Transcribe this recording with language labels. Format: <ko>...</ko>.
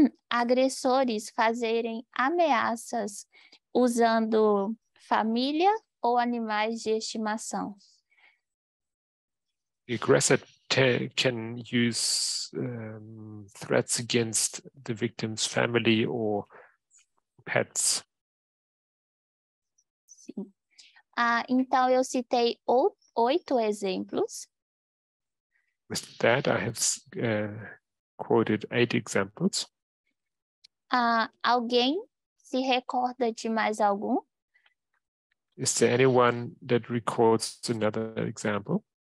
<pt>Agressores fazerem ameaças usando família ou animais de estimação.</pt> <en>The aggressor can use threats against the victim's family or pets.</en> <pt>Sim. Então eu citei 8 exemplos.</pt> <en>With that, I have quoted 8 examples.</en> <pt>Alguém se recorda de mais algum?</pt> <en>Is there anyone that recalls another example?</en>